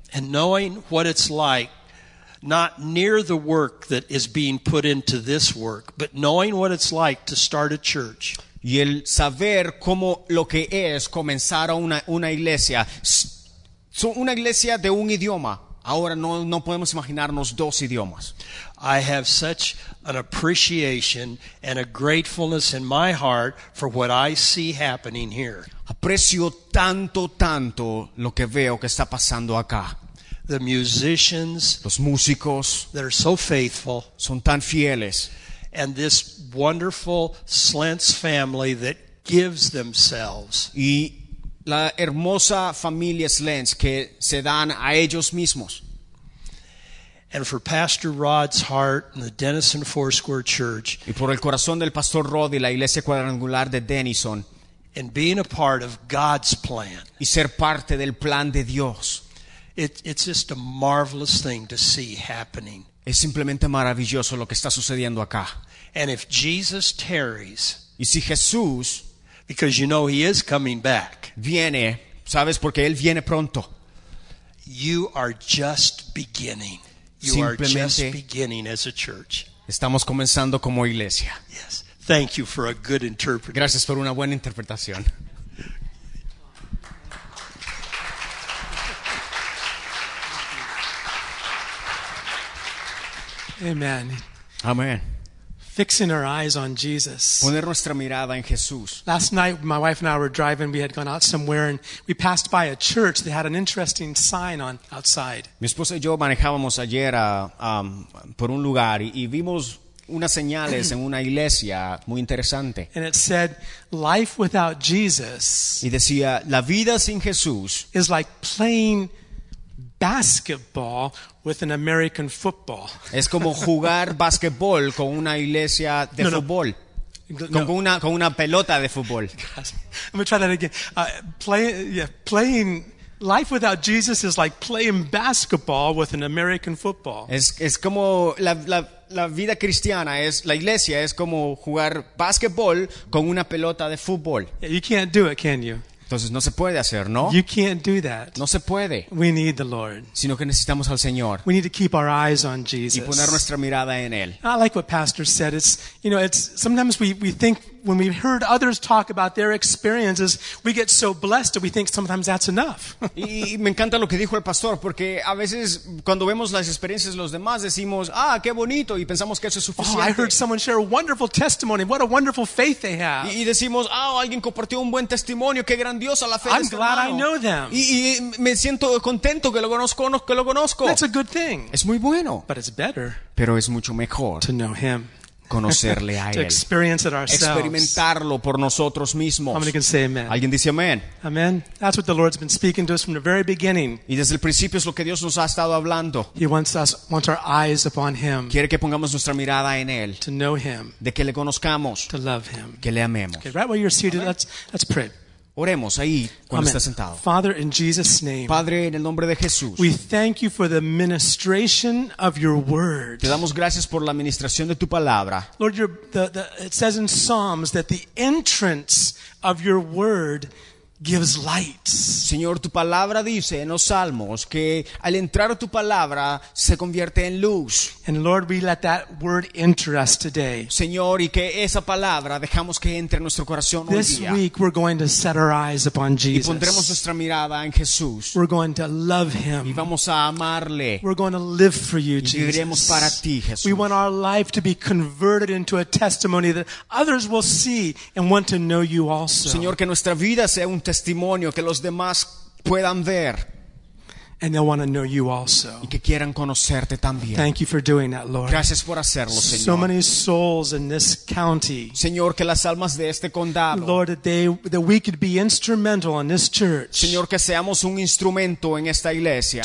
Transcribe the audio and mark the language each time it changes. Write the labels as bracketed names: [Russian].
[English] And knowing what it's like. Not near the work that is being put into this work, but knowing what it's like to start a church. [Spanish] Y el saber cómo lo que es comenzar una iglesia, una iglesia de un idioma. Ahora no podemos imaginarnos dos idiomas. [English] I have such an appreciation and a gratefulness in my heart for what I see happening here. [Spanish] Aprecio tanto lo que veo que está pasando acá. [English] The musicians, [Spanish] los músicos, [English] that are so faithful, [Spanish] son tan fieles, [English] and this wonderful Slents family that gives themselves. [Spanish] Y la hermosa familia Slents que se dan a ellos mismos. [English] And for Pastor Rod's heart and the Denison Foursquare Church. [Spanish] Y por el corazón del Pastor Rod y la Iglesia Cuadrangular de Denison. [English] And being a part of God's plan. [Spanish] Y ser parte del plan de Dios. [English] It's just a marvelous thing to see happening. [Spanish] Es simplemente maravilloso lo que está sucediendo acá. [English] And if Jesus tarries. [Spanish] Y si Jesús. [English] Because you know he is coming back. [Spanish] Viene, sabes, porque él viene pronto. [English] You are just beginning. You [Spanish] Simplemente [English] are just beginning as a church. [Spanish] Estamos comenzando como iglesia. [English] Yes. Thank you for a good interpretation. [Spanish] Gracias por una buena interpretación. [English] Amen. [Spanish] Amen. [English] Fixing our eyes on Jesus. [Spanish] Poner nuestra mirada en Jesús. [English] Last night, my wife and I were driving. We had gone out somewhere, and we passed by a church that had an interesting sign on outside. [Spanish] Mi esposa y yo manejábamos ayer por un lugar y vimos unas señales en una iglesia muy interesante. [English] And it said, "Life without Jesus." [Spanish] Y decía, la vida sin Jesús [English] is like playing basketball with an American football. [Spanish] Es como jugar basketball con una iglesia de fútbol. Con una pelota de fútbol. [English] I'm going to try that again. Playing life without Jesus is like playing basketball with an American football. [Spanish] Es como la vida cristiana es la iglesia es como jugar basketball con una pelota de fútbol. [English] You can't do it, can you? [Spanish] Entonces no se puede hacer, ¿no? [English] You can't do that. [Spanish] No se puede. [English] We need the Lord. [Spanish] Sino que necesitamos al Señor. [English] We need to keep our eyes on Jesus. [Spanish] Y poner nuestra mirada en él. [English] I like what Pastor said. It's sometimes we think when we heard others talk about their experiences, we get so blessed that we think sometimes that's enough. [Spanish] Y me encanta lo que dijo el pastor porque a veces cuando vemos las experiencias de los demás decimos, "Ah, qué bonito" y pensamos que eso es suficiente. [English] Oh, I heard someone share a wonderful testimony. What a wonderful faith they have. [Spanish] Y decimos, "Ah, alguien compartió un buen testimonio, qué grandiosa la fe de este hermano." [English] I'm glad I know them. [Spanish] Y me siento contento que lo conozco. [English] That's a good thing. [Spanish] Es muy bueno. [English] But it's better. [Spanish] Pero es mucho mejor. [English] To know him. [Spanish] Conocerle a [English] to experience it ourselves. [Spanish] Experimentarlo por nosotros mismos. [English] How many can say amen? [Spanish] ¿Alguien dice amén? [English] Amen. That's what the Lord's been speaking to us from the very beginning. [Spanish] Y desde el principio es lo que Dios nos ha estado hablando. [English] He wants our eyes upon him. [Spanish] Quiere que pongamos nuestra mirada en él. [English] To know him. [Spanish] De que le conozcamos. [English] To love him. [Spanish] Que le amemos. [English] Okay, right where you're seated, let's pray. [Spanish] Oremos ahí cuando estás sentado. [English] Father, in Jesus' name, [Spanish] Padre, en el nombre de Jesús, [English] we thank you for the ministration of your word. [Spanish] Te damos gracias por la ministración de tu palabra. [English] Lord, it says in Psalms that the entrance of your word gives light. [Spanish] Señor, tu palabra dice en los Salmos que al entrar tu palabra se convierte en luz. [English] And Lord, we let that word enter us today. [Spanish] Señor, y que esa palabra dejamos que entre en nuestro corazón hoy día. [English] This week we're going to set our eyes upon Jesus. [Spanish] Y pondremos nuestra mirada en Jesús. [English] We're going to love him. [Spanish] Y vamos a amarle. [English] We're going to live for you, Jesus. [Spanish] Y viviremos para ti, Jesús. [English] We want our life to be converted into a testimony that others will see and want to know you also. [Spanish] Señor, que nuestra vida sea un testimonio que los demás puedan ver. [English] And they'll want to know you also. [Spanish] Y que quieran conocerte también. [English] Thank you for doing that, Lord. [Spanish] Gracias por hacerlo, Señor. [English] So many souls in this county. [Spanish] Señor, que las almas de este condado. [English] Lord, that we could be instrumental in this church. [Spanish] Señor, que seamos un instrumento en esta iglesia.